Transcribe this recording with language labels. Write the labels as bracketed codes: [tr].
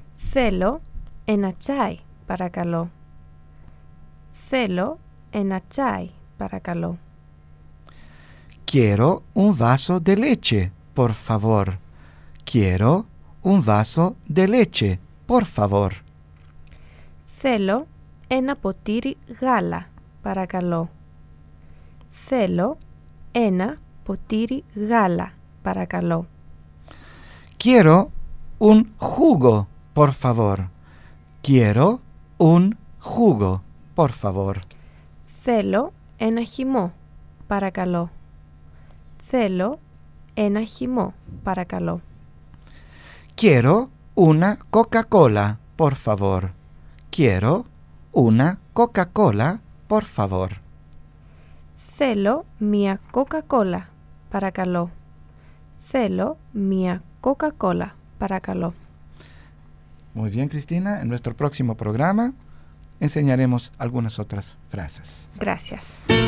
[el] Θέλω ένα τσάι, παρακαλώ. Θέλω ένα τσάι, παρακαλώ. [es] Quiero un vaso de leche, por favor. Quiero un vaso de leche, por favor. [el] Θέλω ένα ποτήρι γάλα, παρακαλώ. Θέλω ένα ποτήρι γάλα, παρακαλώ. [es] Quiero un jugo, por favor. Quiero un jugo, por favor. [el] Θέλω ένα χυμό, παρακαλώ. Θέλω ένα χυμό, παρακαλώ. [es] Quiero una Coca-Cola, por favor. Quiero una Coca-Cola, por favor. [el] Θέλω μια Coca-Cola, παρακαλώ. Θέλω μια Coca-Cola, παρακαλώ. [es] Muy bien, Cristina. En nuestro próximo programa enseñaremos algunas otras frases. Gracias.